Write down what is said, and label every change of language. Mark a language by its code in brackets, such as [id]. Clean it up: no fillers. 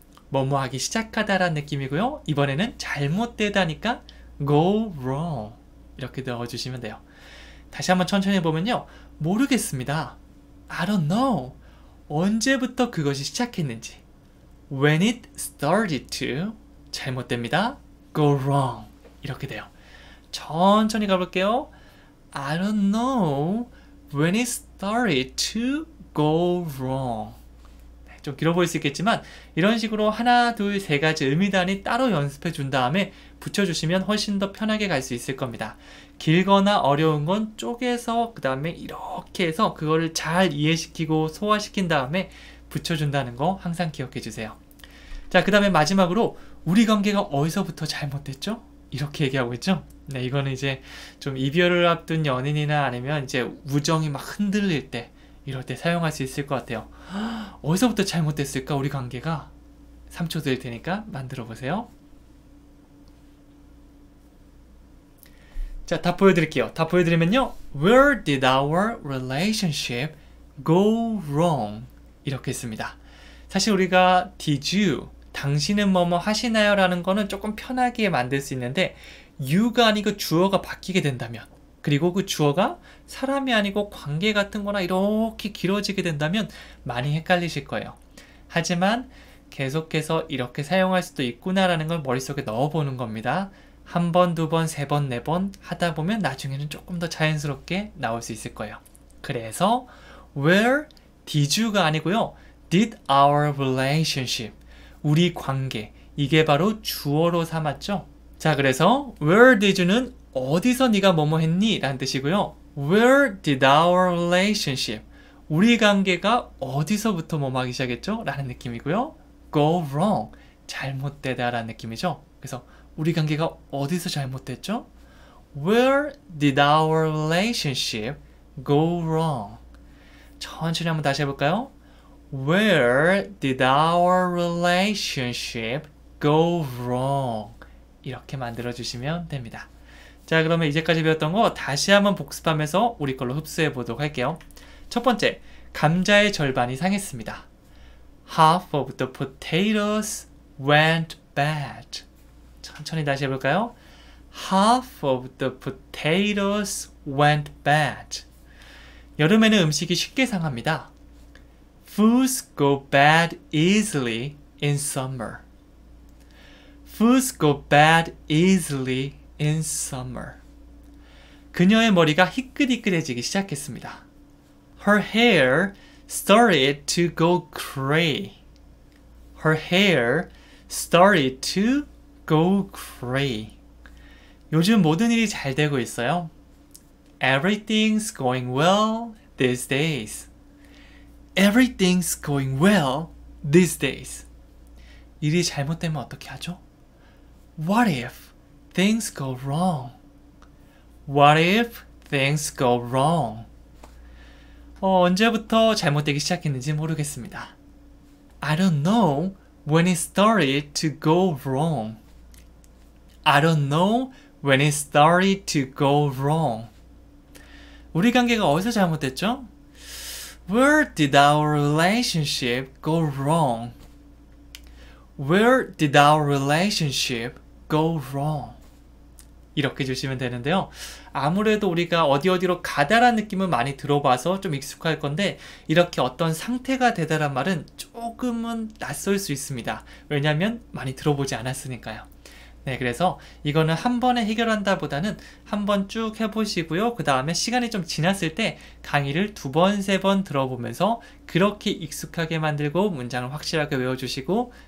[ko] 뭐뭐 하기 시작하다라는 느낌이고요. 이번에는 잘못되다니까 [en] go wrong [ko] 이렇게 넣어주시면 돼요. 다시 한번 천천히 보면요. 모르겠습니다. [en] I don't know. [ko] 언제부터 그것이 시작했는지. [en] When it started to. [ko] 잘못됩니다. [en] go wrong [ko] 이렇게 돼요. 천천히 가볼게요. [en] I don't know when it started to go wrong. [ko] 좀 길어 보일 수 있겠지만 이런 식으로 하나, 둘, 세 가지 의미단이 따로 연습해 준 다음에 붙여주시면 훨씬 더 편하게 갈수 있을 겁니다. 길거나 어려운 건 쪼개서 그 다음에 이렇게 해서 그거를 잘 이해시키고 소화시킨 다음에 붙여준다는 거 항상 기억해 주세요. 자, 그 다음에 마지막으로 우리 관계가 어디서부터 잘못됐죠? 이렇게 얘기하고 있죠? 네, 이거는 이제 좀 이별을 앞둔 연인이나 아니면 이제 우정이 막 흔들릴 때 이럴 때 사용할 수 있을 것 같아요. 어디서부터 잘못됐을까? 우리 관계가. 3초 드릴 테니까 만들어 보세요. 자, 답 보여드릴게요. 답 보여드리면요. [en] Where did our relationship go wrong? [ko] 이렇게 했습니다. 사실 우리가 [en] did you, [ko] 당신은 뭐뭐 하시나요? 라는 거는 조금 편하게 만들 수 있는데, you가 아니고 주어가 바뀌게 된다면, 그리고 그 주어가 사람이 아니고 관계 같은 거나 이렇게 길어지게 된다면 많이 헷갈리실 거예요. 하지만 계속해서 이렇게 사용할 수도 있구나라는 걸 머릿속에 넣어보는 겁니다. 한 번, 두 번, 세 번, 네번 하다 보면 나중에는 조금 더 자연스럽게 나올 수 있을 거예요. 그래서 [en] where did you [ko] 가 아니고요. [en] did our relationship, [ko] 우리 관계. 이게 바로 주어로 삼았죠. 자, 그래서 [en] where did you [ko] 는 어디서 네가 뭐뭐 했니? 라는 뜻이고요. [en] Where did our relationship? [ko] 우리 관계가 어디서부터 뭐뭐하기 시작했죠? 라는 느낌이고요. [en] Go wrong. [ko] 잘못되다라는 느낌이죠. 그래서 우리 관계가 어디서 잘못됐죠? [en] Where did our relationship go wrong? [ko] 천천히 한번 다시 해볼까요? [en] Where did our relationship go wrong? [ko] 이렇게 만들어 주시면 됩니다. 자, 그러면 이제까지 배웠던 거 다시 한번 복습하면서 우리 걸로 흡수해 보도록 할게요. 첫 번째, 감자의 절반이 상했습니다. [en] Half of the potatoes went bad. [ko] 천천히 다시 해볼까요? [en] Half of the potatoes went bad. [ko] 여름에는 음식이 쉽게 상합니다. [en] Foods go bad easily in summer. Foods go bad easily in summer. [ko] 그녀의 머리가 희끗희끗해지기 시작했습니다. [en] Her hair started to go gray. Her hair started to go gray. [ko] 요즘 모든 일이 잘 되고 있어요. [en] Everything's going well these days. Everything's going well these days. [ko] 일이 잘못되면 어떻게 하죠? [en] What if things go wrong? What if things go wrong? [ko] 언제부터 잘못되기 시작했는지 모르겠습니다. [en] I don't know when it started to go wrong. I don't know when it started to go wrong. [ko] 우리 관계가 어디서 잘못됐죠? [en] Where did our relationship go wrong? Where did our relationship go wrong? [ko] 이렇게 주시면 되는데요. 아무래도 우리가 어디 어디로 가다란 느낌은 많이 들어봐서 좀 익숙할 건데, 이렇게 어떤 상태가 되다란 말은 조금은 낯설 수 있습니다. 왜냐하면 많이 들어보지 않았으니까요. 네, 그래서 이거는 한 번에 해결한다보다는 한번쭉 해보시고요. 그 다음에 시간이 좀 지났을 때 강의를 두 번, 세번 들어보면서 그렇게 익숙하게 만들고 문장을 확실하게 외워주시고